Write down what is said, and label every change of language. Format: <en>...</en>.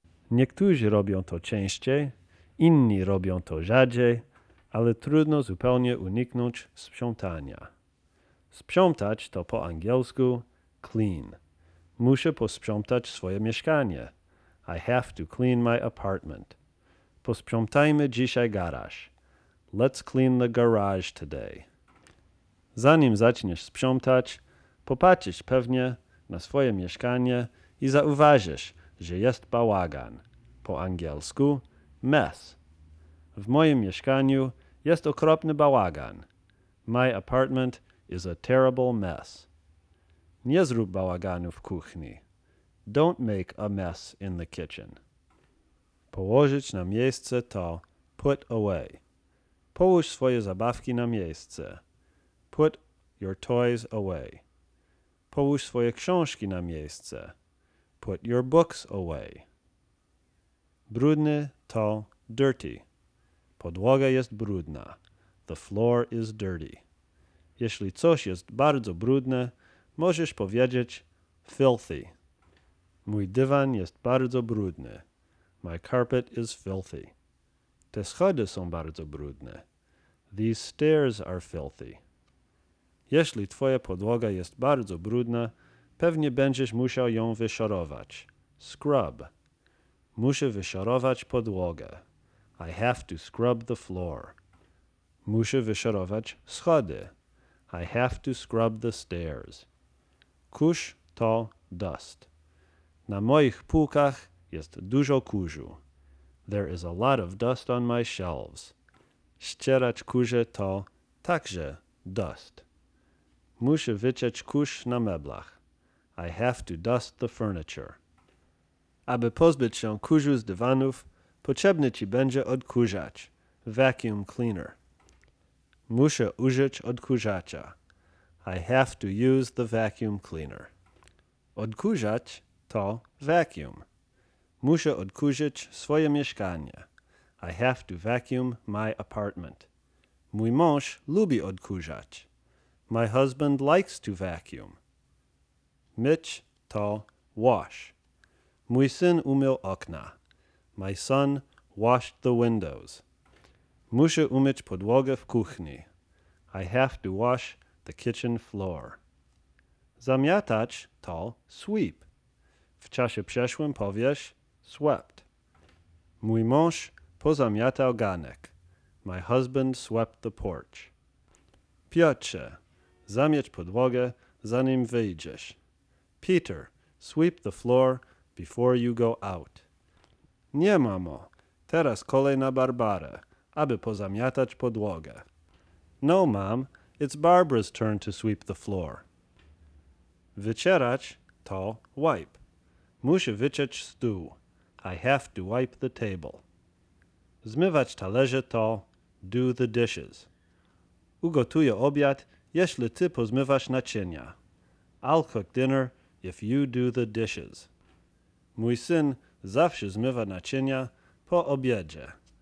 <pl>Niektórzy robią to częściej, inni robią to rzadziej, ale trudno zupełnie uniknąć sprzątania. Sprzątać to po angielsku clean. Muszę posprzątać swoje mieszkanie.</pl> <en>I have to clean my apartment.</en> <pl>Posprzątajmy dzisiaj garaż.</pl> <en>Let's clean the garage today.</en> <pl>Zanim zaczniesz sprzątać, popatrzysz pewnie na swoje mieszkanie i zauważysz, że jest bałagan. Po angielsku mess. W moim mieszkaniu jest okropny bałagan.</pl> <en>My apartment is a terrible mess.</en> <pl>Nie zrób bałaganu w kuchni.</pl> <en>Don't make a mess in the kitchen.</en> <pl>Położyć na miejsce to put away. Połóż swoje zabawki na miejsce.</pl> <en>Put your toys away.</en> <pl>Połóż swoje książki na miejsce.</pl> <en>Put your books away.</en> <pl>Brudny to</pl> <en>dirty.</en> <pl>Podłoga jest brudna.</pl> <en>The floor is dirty.</en> <pl>Jeśli coś jest bardzo brudne, możesz powiedzieć filthy. Mój dywan jest bardzo brudny.</pl> <en>My carpet is filthy.</en> <pl>Te schody są bardzo brudne.</pl> <en>These stairs are filthy.</en> <pl>Jeśli twoja podłoga jest bardzo brudna, pewnie będziesz musiał ją wyszorować. Scrub. Muszę wyszorować podłogę.</pl> <en>I have to scrub the floor.</en> <pl>Muszę wyszorować schody.</pl> <en>I have to scrub the stairs.</en> <pl>Kurz to dust. Na moich półkach jest dużo kurzu.</pl> <en>There is a lot of dust on my shelves.</en> <pl>Ścierać kurze to także dust. Muszę wyciąć kurz na meblach.</pl> <en>I have to dust the furniture.</en> <pl>Aby pozbyć się kurzu z dywanów, potrzebny ci będzie odkurzacz, vacuum cleaner. Muszę użyć odkurzacza.</pl> <en>I have to use the vacuum cleaner.</en> <pl>Odkurzacz to vacuum. Muszę odkurzyć swoje mieszkanie.</pl> <en>I have to vacuum my apartment.</en> <pl>Mój mąż lubi odkurzacz.</pl> <en>My husband likes to vacuum.</en> <pl>Myć to</pl> <en>wash.</en> <pl>Mój syn umył okna.</pl> <en>My son washed the windows.</en> <pl>Muszę umyć podłogę w kuchni.</pl> <en>I have to wash the kitchen floor.</en> <pl>Zamiatać to sweep. W czasie przeszłym powiesz swept. Mój mąż pozamiatał ganek.</pl> <en>My husband swept the porch.</en> <pl>Piotrze, zamieć podłogę zanim wyjdziesz.</pl> <en>Peter, sweep the floor before you go out.</en> <pl>Nie, mamo. Teraz kolej na Barbarę, aby pozamiatać podłogę.</pl> <en>No, mam. It's Barbara's turn to sweep the floor.</en> <pl>Wycierać to wipe. Muszę wyciąć stół.</pl> <en>I have to wipe the table.</en> <pl>Zmywać talerze to</pl> <en>do the dishes.</en> <pl>Ugotuję obiad, jeśli ty pozmywasz naczynia.</pl> <en>I'll cook dinner if you do the dishes.</en> <pl>Mój syn zawsze zmywa naczynia po obiedzie.</pl>